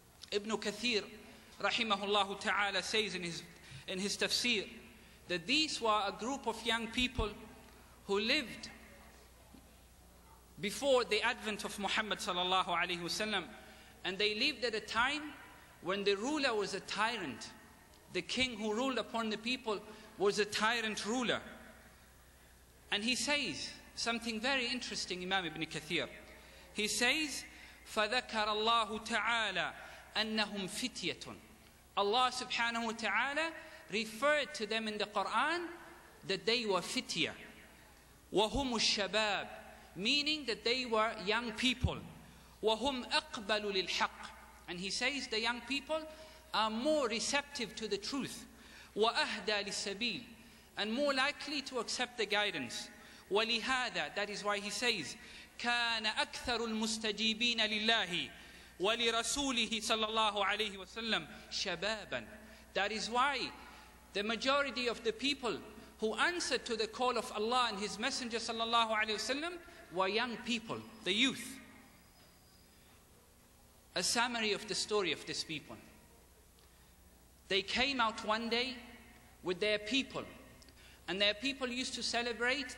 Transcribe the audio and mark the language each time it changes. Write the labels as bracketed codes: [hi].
[en] Ibn Kathir rahimahullahu ta'ala says in his tafsir that these were a group of young people who lived before the advent of Muhammad sallallahu alayhi wasallam, and they lived at a time when the ruler was a tyrant. The king who ruled upon the people was a tyrant ruler. And he says something very interesting, Imam Ibn Kathir. He says, [ar] فَذَكَرَ اللَّهُ تَعَالَى أَنَّهُمْ فِتْيَةٌ. [en] Allah subhanahu wa ta'ala referred to them in the Quran that they were fitya. [ar] وَهُمُ الشَّبَابِ, [en] meaning that they were young people. [ar] وَهُمْ أَقْبَلُ لِلْحَقِّ, [en] and he says the young people are more receptive to the truth. [ar] وَأَهْدَى لِلْسَبِيلِ, [en] and more likely to accept the guidance. [ar] وَلِهَذَا, [en] that is why he says, [ar] كَانَ أَكْثَرُ الْمُسْتَجِيبِينَ لِلَّهِ وَلِرَسُولِهِ صَلَى اللَّهُ عَلَيْهِ وَسَلَّمْ شَبَابًا. [en] That is why the majority of the people who answered to the call of Allah and His Messenger sallallahu alayhi wa sallam were young people, the youth. A summary of the story of this people. They came out one day with their people, and their people used to celebrate.